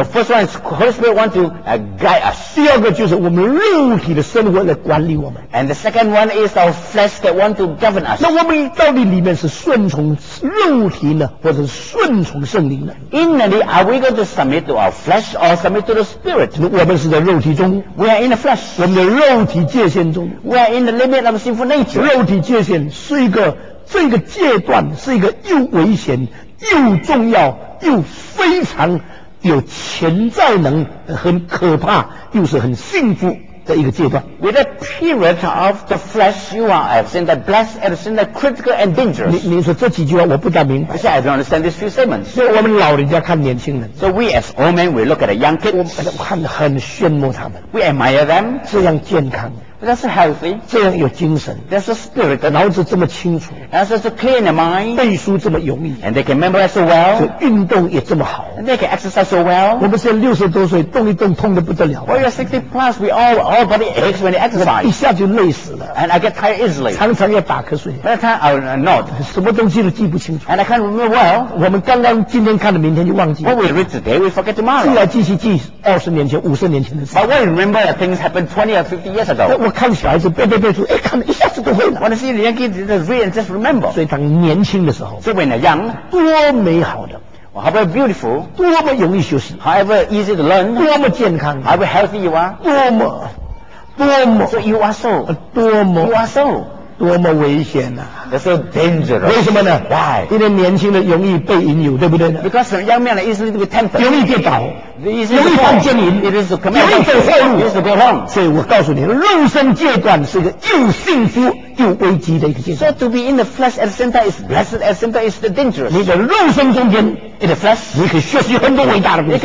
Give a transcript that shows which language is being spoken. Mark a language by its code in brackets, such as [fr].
[en] The first one is Holy Spirit want to guide us [zh] 第二个就是我们肉体的生活来管理我们 [en] And the second one is our flesh that want to govern us [zh] 那我们到底里面是顺从肉体呢或者顺从圣灵呢 [en] Inwardly are we going to submit to our flesh or submit to the spirit [zh] 我们是在肉体中 [en] We are in the flesh [zh] 我们的肉体界限中 [en] We are in the limit of sinful nature [zh] 肉体界限是一个这个阶段是一个又危险又重要又非常有潜在能很可怕又是很幸福的一个阶段 [en] With the period of the flesh you are at the blessed at the same time critical and dangerous [zh] 你说这几句话我不大明白 [en] I don't understand these few statements [zh] 所以我们老人家看年轻人 [en] So we as old men we look at the young kids [zh] 我看得很羡慕他们 [en] We admire them [zh] 这样健康 [en] That's healthy. [zh] 这样有精神。 [en] That's a spirit. [zh] 脑子这么清楚。 [en] That's a clear mind. [zh] 背书这么容易。 [en] And they can memorize so well. [zh] 就运动也这么好。 [en] And they can exercise so well. [zh] 我们现在六十多岁，动一动痛得不得了。 [en] Well, you're 60 plus. We all body aches when you exercise. [zh] 一下就累死了。 [en] And I get tired easily. [zh] 常常要打瞌睡。 [en] By the time I nod. [zh] 什么东西都记不清楚。 [en] And I can't remember well. [zh] 我们刚刚今天看的，明天就忘记了。 [en] What we read today, we forget tomorrow. [zh] 既然继续记20年前、50年前的事。 [en] But what you remember that things happened 20 or 50 years ago? [zh] 我看小孩子背背背书，看一下子都会了。 [en] When I see young kids, just read and just remember. [zh] 所以当年轻的时候 [en] ，So when young, [zh] 多美好的 [en] ，However beautiful, [zh] 多么容易休息 [en] ，However easy to learn, [zh] 多么健康 [en] ，However healthy you are, [zh] 多么 [en] ，So you are so, [zh] 多么 [en] ，You are so. [zh] 多么危险啊 [en] That's so dangerous. [zh] 为什么呢 [en] ？Why？ [zh] 因为年轻的容易被引诱，对不对 [en] ？Because young men are easily to be tempted. [zh] 容易跌倒， [en] easy [zh] 容易犯奸淫， [en] it is to commit [zh] 容易走错路， [en] easy to go wrong. [zh] 所以我告诉你，肉身阶段是一个又幸福又危机的一个阶段。 [en] So to be in the flesh at the same time is blessed, at the same time is the dangerous. [zh] 你的肉身中间 [en] ，in the flesh， [zh] 你可以学习很多伟大的东西。